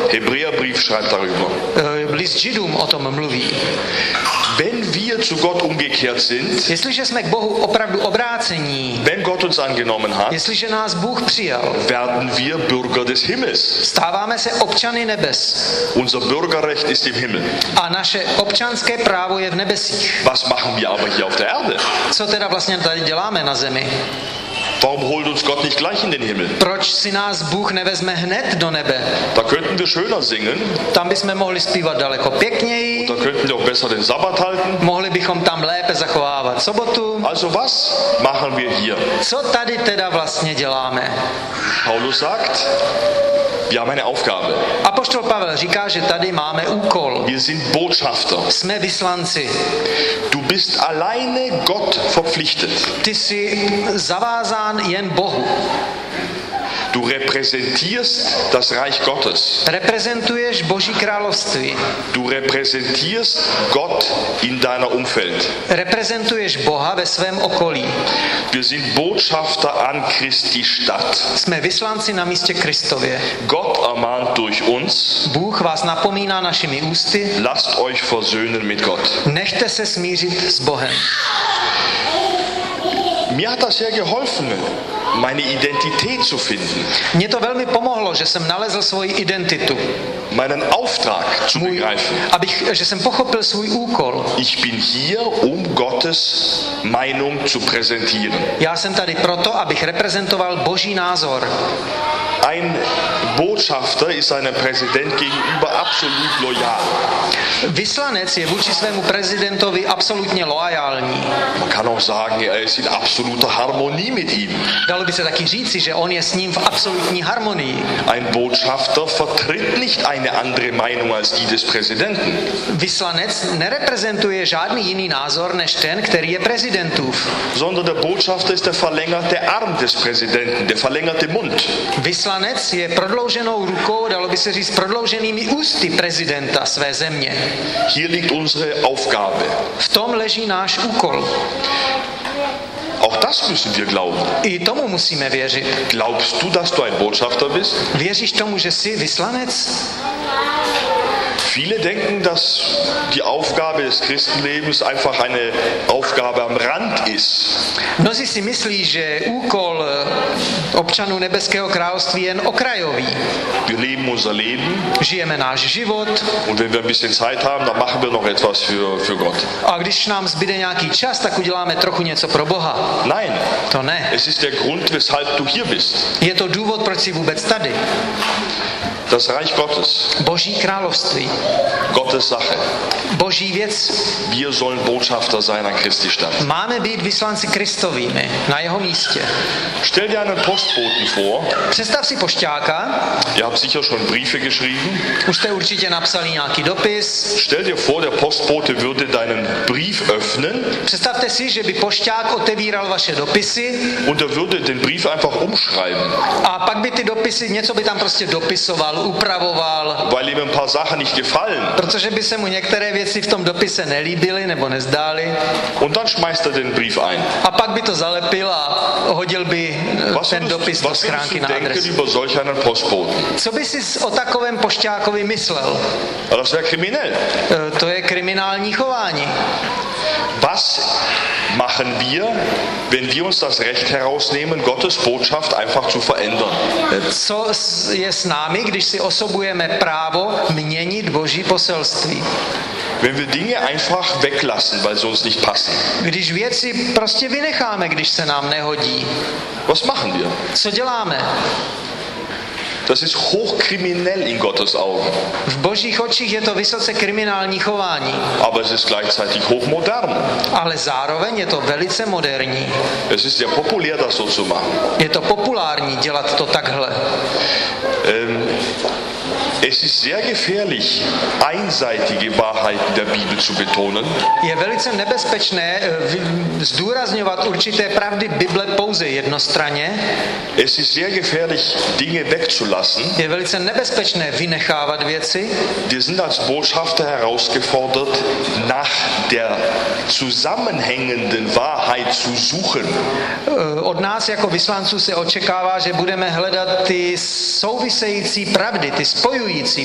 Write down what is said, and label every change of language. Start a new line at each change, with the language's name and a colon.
German: Hebräerbrief schreibt darüber.
Czech: List Židům o tom mluví.
German: Wenn wir zu Gott umgekehrt sind,
Czech: jestliže jsme k Bohu opravdu obrácení,
German: wenn Gott uns angenommen hat,
Czech: jestliže nás Bůh přijal,
German: werden wir Bürger des Himmels.
Czech: Stáváme se občany nebes.
German: Unser Bürgerrecht ist im Himmel.
Czech: A naše občanské právo je v nebesích.
German: Was machen wir aber hier auf der Erde?
Czech: Co teda vlastně tady děláme na zemi?
German: Warum holt uns Gott nicht gleich in den Himmel?
Czech: Proč si nás Bůh nevezme hned do nebe?
German: Da könnten wir schöner singen.
Czech: Tam bychom mohli zpívat daleko pěkněji.
German: Da könnten wir auch besser den Sabbat halten.
Czech: Mohli bychom tam lépe zachovávat sobotu.
German: Also was machen wir hier?
Czech: Co tady teda vlastně děláme?
German: Paulus sagt, wir haben eine Aufgabe.
Czech: Apoštol Pavel říká, že tady máme úkol.
German: Wir sind Botschafter.
Czech: Jsme vyslanci.
German: Du bist alleine Gott verpflichtet.
Czech: Ty jsi zavázán jen Bohu.
German: Du repräsentierst das Reich Gottes.
Czech: Reprezentuješ Boží království.
German: Du repräsentierst Gott in deiner Umfeld.
Czech: Reprezentuješ Boha ve svém okolí.
German: Wir sind Botschafter an Christi Stadt.
Czech: Jsme vyslanci na místě Kristově.
German: Gott ermahnt durch uns.
Czech: Bůh vás napomíná našimi ústy.
German: Lasst euch versöhnen mit Gott.
Czech: Nechte se smířit s Bohem.
German: Mir hat das sehr geholfen, meine Identität zu finden.
Czech: Mně to velmi pomohlo, že jsem nalezl svoji identitu.
German: Meinen Auftrag zu begreifen.
Czech: Že jsem pochopil svůj úkol.
German: Ich bin hier, um Gottes Meinung zu präsentieren.
Czech: Já jsem tady proto, abych reprezentoval Boží názor.
German: Ein Botschafter ist einem Präsident gegenüber absolut loyal.
Czech: Vyslanec je vůči svému prezidentovi absolutně loajální.
German: Man kann auch sagen, er ist in absoluter Harmonie mit ihm.
Czech: Dalo by se taky říci, že on je s ním v absolutní harmonii.
German: Ein Botschafter vertritt nicht eine andere Meinung als die des Präsidenten.
Czech: Vyslanec nereprezentuje žádný jiný názor než ten, který je prezidentův.
German: Sondern der Botschafter ist der verlängerte Arm des Präsidenten, der verlängerte Mund.
Czech: Vyslanec je prodlouženou rukou, dalo by se říct prodlouženými ústy prezidenta své země.
German: Hier liegt unsere Aufgabe.
Czech: V tom leží náš úkol.
German: Auch das müssen wir glauben.
Czech: I tomu musíme věřit.
German: Glaubst du, dass du ein Botschafter bist?
Czech: Věříš tomu, že jsi vyslanec?
German: Viele denken, dass die Aufgabe des Christenlebens einfach eine Aufgabe am Rand ist.
Czech: Mnozí si myslí, že úkol občanů nebeského království je jen okrajový.
German: Wir leben unser Leben.
Czech: Žijeme náš život.
German: Und wenn wir ein bisschen Zeit haben, dann machen wir noch etwas für Gott.
Czech: A když nám zbyde nějaký čas, tak uděláme trochu něco pro Boha.
German: Nein.
Czech: To ne.
German: Es ist der Grund, weshalb du hier bist.
Czech: Je to důvod, proč jsi vůbec tady.
German: Das Reich Gottes.
Czech: Boží království.
German: Gottes Sache.
Czech: Boží věc.
German: Wir sollen Botschafter sein an Christi Stadt.
Czech: Máme být vyslanci Kristovými na jeho místě.
German: Stell dir einen Postboten vor.
Czech: Představ si pošťáka.
German: Ihr habt sicher schon Briefe geschrieben.
Czech: Už jste určitě napsali nějaký dopis.
German: Stell dir vor, der Postbote würde deinen Brief öffnen.
Czech: Představte si, že by pošťák otevíral vaše dopisy.
German: Und er würde den Brief einfach umschreiben.
Czech: A pak by ty dopisy, něco by tam prostě dopisoval. Upravoval,
German: weil ihm ein paar Sachen nicht gefallen.
Czech: Protože by se mu některé věci v tom dopise nelíbily nebo nezdály.
German: Und dann schmeißt er den Brief ein.
Czech: A pak by to zalepil a hodil by
German: was
Czech: ten dopis do schránky na adresu.
German: Denken über solch einen Postboten?
Czech: Co by si o takovém pošťákovi myslel?
German: Das wäre kriminell.
Czech: To je kriminální chování.
German: Was machen wir, wenn wir uns das Recht herausnehmen, Gottes Botschaft einfach zu verändern?
Czech: Co je s námi, když si osobujeme právo měnit Boží poselství?
German: Wenn wir Dinge einfach weglassen, weil sie uns nicht passen.
Czech: Když věci prostě vynecháme, když se nám nehodí.
German: Was machen wir?
Czech: Co děláme?
German: Das ist hochkriminell in Gottes Augen.
Czech: V Božích očích je to vysoce kriminální chování.
German: Aber es ist gleichzeitig hochmodern.
Czech: Ale zároveň je to velice moderní.
German: Es ist ja populär, das so zu machen.
Czech: Je to populární dělat to takhle.
German: Es ist sehr gefährlich, einseitige Wahrheiten der Bibel zu betonen.
Czech: Je velice nebezpečné zdůrazňovat určité pravdy Bible pouze jednostranně.
German: Es ist sehr gefährlich, Dinge wegzulassen.
Czech: Je velice nebezpečné vynechávat věci.
German: Wir sind als Botschafter herausgefordert, nach der zusammenhängenden Wahrheit zu suchen.
Czech: Od nás jako vyslanců se očekává, že budeme hledat ty související pravdy, ty spojující.